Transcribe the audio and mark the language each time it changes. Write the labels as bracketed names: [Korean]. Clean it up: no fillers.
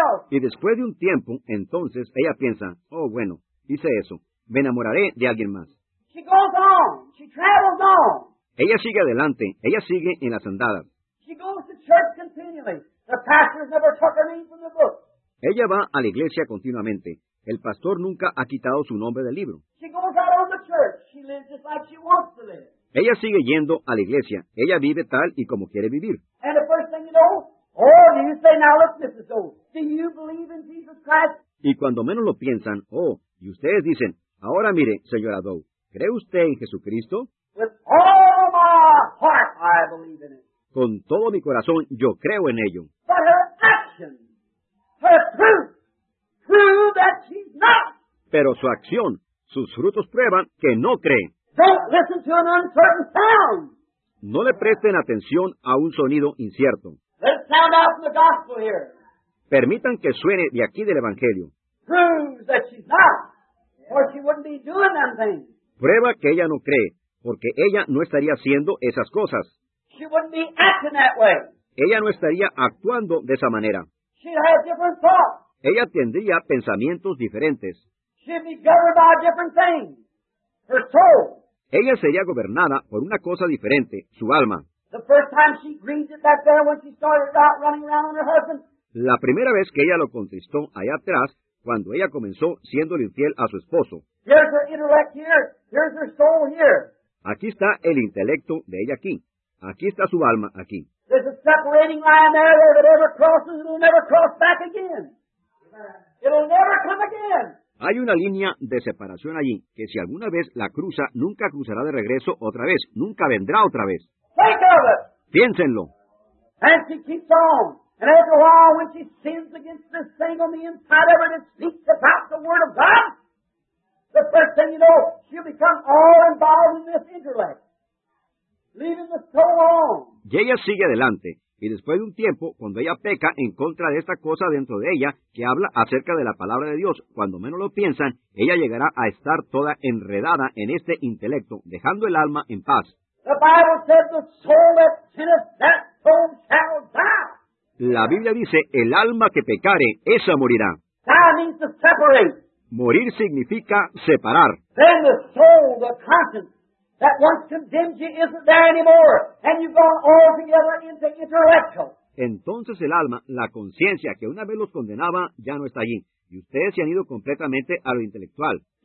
[Spanish] Y después de un tiempo, entonces, ella piensa, oh, bueno, hice eso. Me enamoraré de alguien más. [English] She goes on. She travels on. [Spanish] Ella sigue adelante. Ella sigue en las andadas. [English] She goes to church continually. The pastor never took her name from the book. [Spanish] Ella va a la iglesia continuamente. El pastor nunca ha quitado su nombre del libro. [English] She goes out on the church. She lives just like she wants to live. [Spanish] Ella sigue yendo a la iglesia. Ella vive tal y como quiere vivir. [English] And the first thing you know, oh, you say, now look, Mrs. O, do you believe in Jesus Christ? [Spanish] Y cuando menos lo piensan, oh, y ustedes dicen, ahora mire, señora Doe, ¿cree usted en Jesucristo? [English] With all my heart, I believe in it. [Spanish] Con todo mi corazón, yo creo en ello. [English] But her action, her fruit, prove that she's not. [Spanish] Pero su acción, sus frutos prueban que no cree. [English] Don't listen to an uncertain sound. [Spanish] No le presten atención a un sonido incierto. [English] Let it sound out from the gospel here. [Spanish] Permitan que suene de aquí del Evangelio. [English] Prove that she's not. Or she wouldn't be doing them things. [Spanish] Prueba que ella no cree, porque ella no estaría haciendo esas cosas. [English] She wouldn't be acting that way. [Spanish] Ella no estaría actuando de esa manera. [English] She'd have different thoughts. [Spanish] Ella tendría pensamientos diferentes. [English] She'd be governed by a different thing. Her soul. [Spanish] Ella sería gobernada por una cosa diferente, su alma. [English] The first time she grieved it back there when she started out running around on her husband. [Spanish] La primera vez que ella lo contristó allá atrás, cuando ella comenzó siendo infiel a su esposo. [English] Here's her intellect here. Here's her soul here. [Spanish] Aquí está el intelecto de ella aquí. Aquí está su alma aquí. [English] There's a separating line there that it ever crosses and it'll never cross back again. It'll never come again. [Spanish] Hay una línea de separación allí que si alguna vez la cruza, nunca cruzará de regreso otra vez. Nunca vendrá otra vez. [English] Think of it. [Spanish] Piénsenlo. [English] And she keeps on. And after a while, when she sins against this thing on the inside of her that speaks about the Word of God, the first thing you know, she'll become all involved in this intellect, leaving the soul on. [Spanish] Y ella sigue adelante. Y después de un tiempo, cuando ella peca en contra de esta cosa dentro de ella que habla acerca de la palabra de Dios, cuando menos lo piensan, ella llegará a estar toda enredada en este intelecto, dejando el alma en paz. [English] The Bible says the soul that sinneth, that soul shall die. [Spanish] La Biblia dice, el alma que pecare, esa morirá. [English] That means to separate. [Spanish] Morir significa separar. [English] Then the soul, the conscience, that once condemned you isn't there anymore, and you've gone altogether into intellectual. [Spanish] Entonces el alma, la conciencia que una vez los condenaba, ya no está allí. Y ustedes se han ido completamente a lo intelectual.